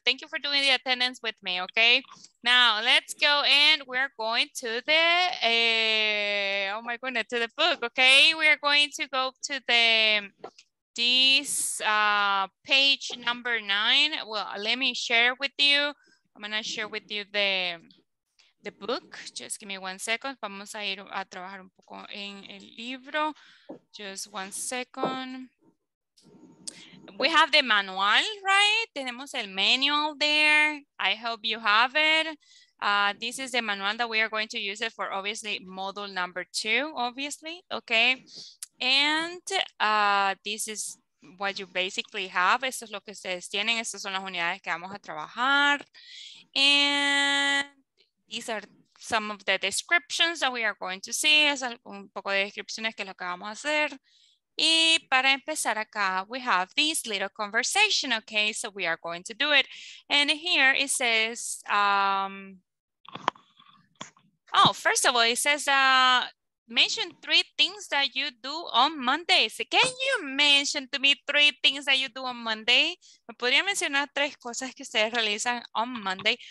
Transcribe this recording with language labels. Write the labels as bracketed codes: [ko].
[en] Thank you for doing the attendance with me. Okay. Now let's go and we're going to the, oh my goodness, to the book. Okay. We're going to go to the, this page number 9. Well, let me share with you. I'm going to share with you the book. Just give me 1 second. [es] Vamos a ir a trabajar un poco en el libro. [en] Just 1 second. We have the manual, right? [es] Tenemos el manual [en] there. [es] I hope you have it. [en] This is the manual that we are going to use it for, obviously, module number 2, obviously, okay? And this is what you basically have. [es] Esto es lo que ustedes tienen. Estas son las unidades que vamos a trabajar. [en] And these are some of the descriptions that we are going to see. [es] Es un poco de descripciones que es lo que vamos a hacer. Y para empezar acá, [en] we have this little conversation, okay? So we are going to do it. And here it says, oh, first of all, it says, mention 3 things that you do on Monday. So can you mention to me 3 things that you do on Monday? [es] ¿Me podría mencionar 3 cosas que ustedes realizan [en] on Monday?